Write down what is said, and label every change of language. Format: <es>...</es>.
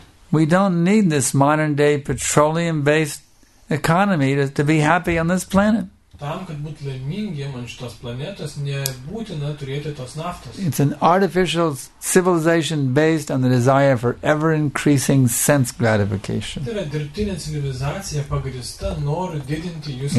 <en>We don't need this modern-day petroleum-based economy to be happy on this planet.</en> <lt>tam, kad būt laimingiem ant šitos planetos, nebūtina turėti tos naftos.</lt> <en>It's an artificial civilization based on the desire for ever increasing sense gratification.</en> <lt>Tai yra dirbtinė civilizacija pagrįsta noru didinti jūsų.</lt>